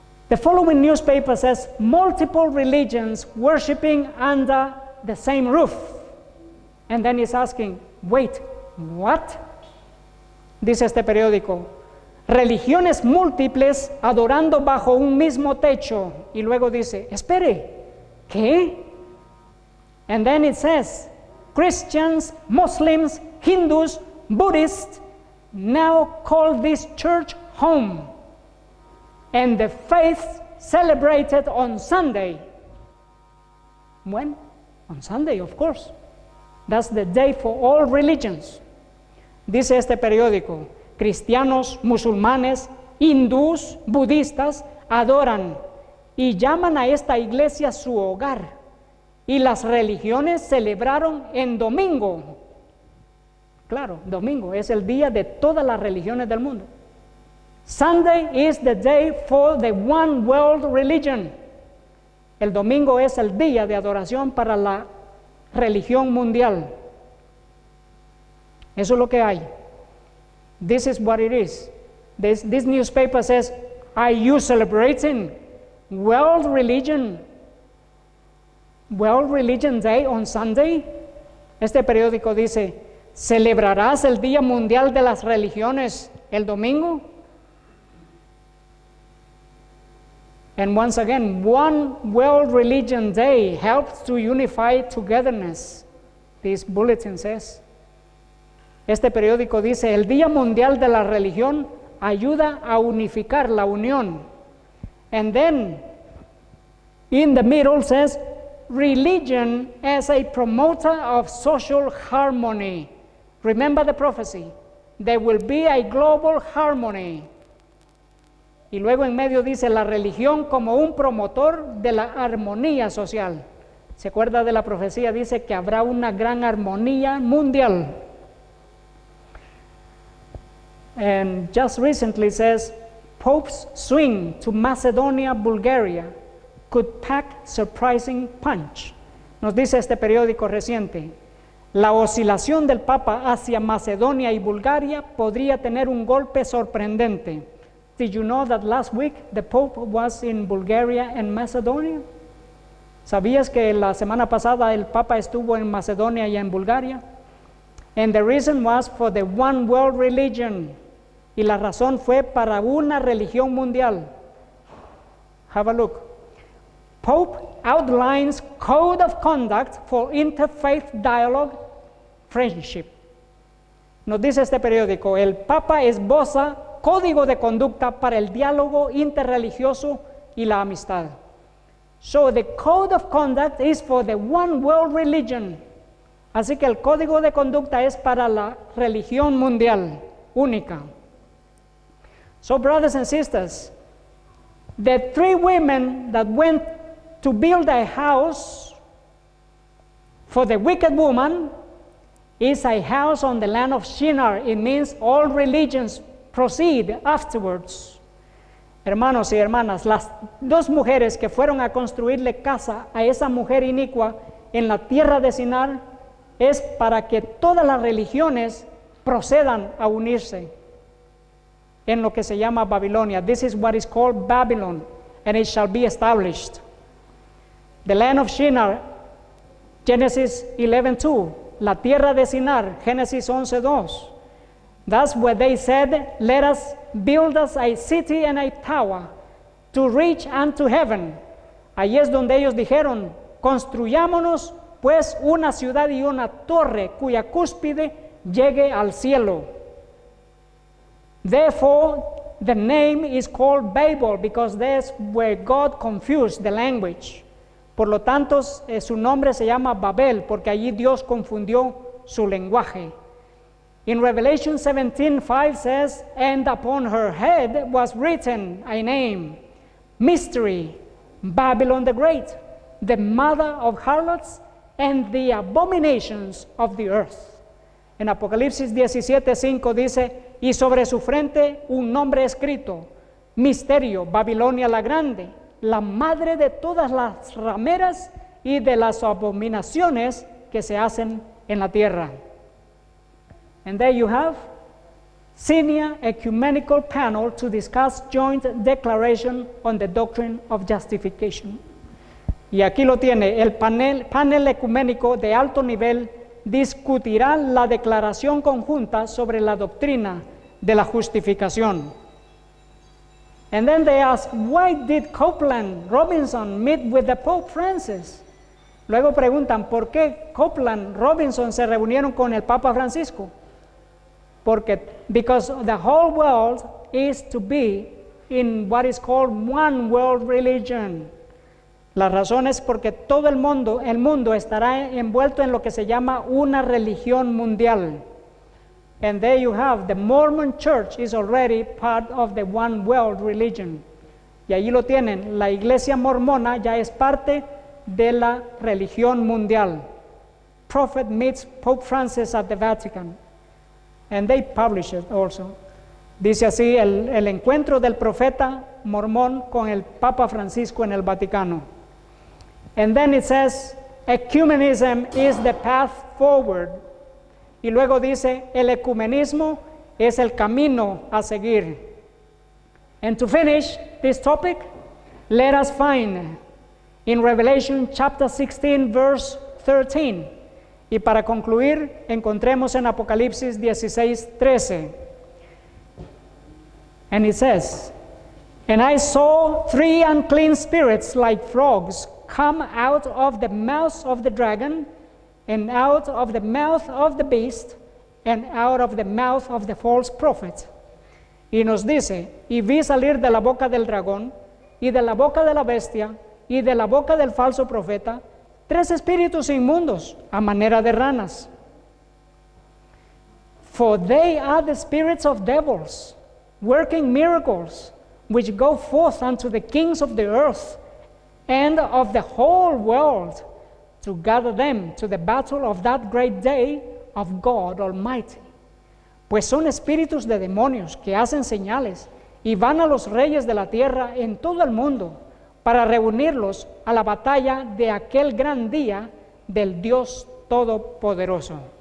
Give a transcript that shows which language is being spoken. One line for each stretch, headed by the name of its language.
English: The following newspaper says multiple religions worshiping under the same roof. And then he's asking, wait, what?
Spanish: Dice este periódico, religiones múltiples adorando bajo un mismo techo. Y luego dice, espere, ¿qué?
English: And then it says, Christians, Muslims, Hindus, Buddhists now call this church home. And the faith celebrated on Sunday. When? On Sunday, of course. That's the day for all religions.
Spanish: Dice este periódico, cristianos, musulmanes, hindús, budistas, adoran y llaman a esta iglesia su hogar. Y las religiones celebraron en domingo. Claro, domingo es el día de todas las religiones del mundo.
English: Sunday is the day for the one world religion.
Spanish: El domingo es el día de adoración para la religión mundial. Eso es lo que hay.
English: This is what it is. This newspaper says, are you celebrating world religion? World Religion Day on Sunday?
Spanish: Este periódico dice, ¿celebrarás el Día Mundial de las Religiones el domingo?
English: And once again, one World Religion Day helps to unify togetherness, this bulletin says.
Spanish: Este periódico dice, el Día Mundial de la Religión ayuda a unificar la unión.
English: And then, in the middle says, religion as a promoter of social harmony. Remember the prophecy. There will be a global harmony.
Spanish: Y luego en medio dice, la religión como un promotor de la armonía social. ¿Se acuerda de la profecía? Dice que habrá una gran armonía mundial.
English: And just recently says, Pope's swing to Macedonia, Bulgaria could pack surprising punch.
Spanish: Nos dice este periódico reciente, la oscilación del Papa hacia Macedonia y Bulgaria podría tener un golpe sorprendente.
English: Did you know that last week the Pope was in Bulgaria and Macedonia?
Spanish: ¿Sabías que la semana pasada el Papa estuvo en Macedonia y en Bulgaria?
English: And the reason was for the one world religion.
Spanish: Y la razón fue para una religión mundial.
English: Have a look. Pope outlines code of conduct for interfaith dialogue friendship.
Spanish: Nos dice este periódico, el Papa esboza código de conducta para el diálogo interreligioso y la amistad.
English: So the code of conduct is for the one world religion.
Spanish: Así que el código de conducta es para la religión mundial única.
English: So brothers and sisters, the three women that went to build a house for the wicked woman is a house on the land of Shinar. It means all religions proceed afterwards.
Spanish: Hermanos y hermanas, las dos mujeres que fueron a construirle casa a esa mujer inicua en la tierra de Shinar es para que todas las religiones procedan a unirse en lo que se llama Babilonia.
English: This is what is called Babylon, and it shall be established. The land of Shinar, Genesis 11:2.
Spanish: La tierra de Shinar,
English: Genesis 11:2. That's where they said, let us build us a city and a tower to reach unto heaven.
Spanish: Allí es donde ellos dijeron, construyámonos pues una ciudad y una torre cuya cúspide llegue al cielo.
English: Therefore, the name is called Babel because that's where God confused the language.
Spanish: Por lo tanto, su nombre se llama Babel, porque allí Dios confundió su lenguaje.
English: In Revelation 17:5 says, and upon her head was written a name, mystery, Babylon the Great, the mother of harlots and the abominations of the earth.
Spanish: En Apocalipsis 17:5 dice, y sobre su frente un nombre escrito, misterio, Babilonia la Grande, la madre de todas las rameras y de las abominaciones que se hacen en la tierra.
English: And there you have senior ecumenical panel to discuss joint declaration on the doctrine of justification.
Spanish: Y aquí lo tiene, el panel ecuménico de alto nivel discutirá la declaración conjunta sobre la doctrina de la justificación.
English: And then they ask, why did Copeland Robinson meet with the Pope Francis?
Spanish: Luego preguntan, ¿por qué Copeland Robinson se reunieron con el Papa Francisco? Porque,
English: because the whole world is to be in what is called one world religion.
Spanish: La razón es porque todo el mundo estará envuelto en lo que se llama una religión mundial.
English: And there you have, the Mormon Church is already part of the one world religion.
Spanish: Y ahí lo tienen, la Iglesia Mormona ya es parte de la religión mundial.
English: Prophet meets Pope Francis at the Vatican. And they publish it also.
Spanish: Dice así, el encuentro del profeta mormón con el Papa Francisco en el Vaticano.
English: And then it says, ecumenism is the path forward.
Spanish: Y luego dice, el ecumenismo es el camino a seguir.
English: And to finish this topic, let us find in Revelation chapter 16, verse 13.
Spanish: Y para concluir, encontremos en Apocalipsis 16, 13.
English: And it says, and I saw three unclean spirits like frogs come out of the mouth of the dragon, and out of the mouth of the beast, and out of the mouth of the false prophet.
Spanish: Y nos dice, y vi salir de la boca del dragón, y de la boca de la bestia, y de la boca del falso profeta, tres espíritus inmundos, a manera de ranas.
English: For they are the spirits of devils, working miracles, which go forth unto the kings of the earth, and of the whole world, to gather them to the battle of that great day of God Almighty.
Spanish: Pues son espíritus de demonios que hacen señales y van a los reyes de la tierra en todo el mundo para reunirlos a la batalla de aquel gran día del Dios Todopoderoso.